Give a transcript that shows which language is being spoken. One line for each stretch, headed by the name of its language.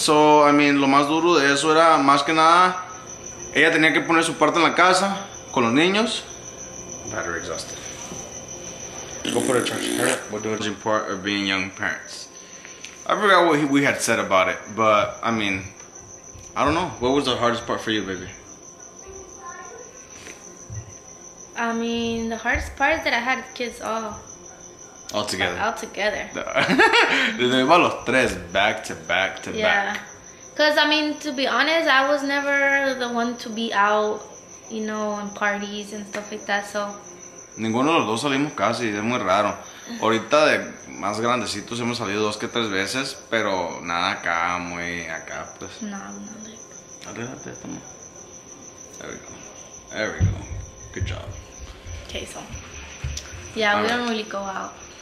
English: So, I mean,
Spanish: lo más duro de eso era más que nada, ella tenía que poner su parte en la casa con los niños.
English: Battery exhausted. Go for a charge. What the challenging part of being young parents? I forgot what we had said about it, but I mean, I don't know. What was the hardest part for you, baby? I mean, the hardest part is that I had kids all together. All together.
Spanish: Desde que iba los tres,
English: back to back to back. Yeah. Because, I mean, to be honest, I was never the one to be out, you know, in parties and stuff like that, so.
Spanish: Ninguno de los dos salimos casi, es muy raro. Ahorita de más grandecitos hemos salido 2 que 3 veces, pero nada acá, muy acá, pues.
English: No.
Spanish: Arrégate, toma.
English: There we go. Good job. Okay, so. Yeah, we don't really go out.